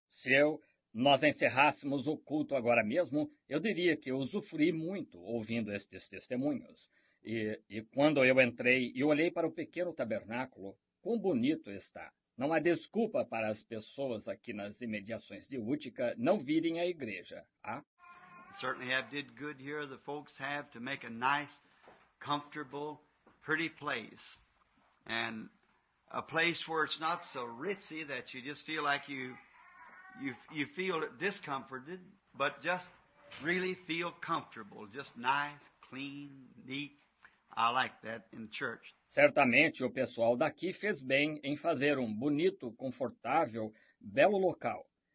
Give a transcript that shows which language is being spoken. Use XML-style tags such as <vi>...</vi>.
<pt>Se eu nós encerrássemos o culto agora mesmo, eu diria que eu usufruí muito ouvindo estes testemunhos. E quando eu entrei e olhei para o pequeno tabernáculo, quão bonito está. Não há desculpa para as pessoas aqui nas imediações de Utica não virem à igreja, há?</pt> <en>Certainly have did good here, the folks have, to make a nice, comfortable, pretty place. And a place where it's not so ritzy that you just feel like you feel discomforted, but just really feel comfortable, just nice, clean, neat. I like that in church.</en> <pt>Certamente o pessoal daqui fez bem em fazer um bonito, confortável, belo local.</pt>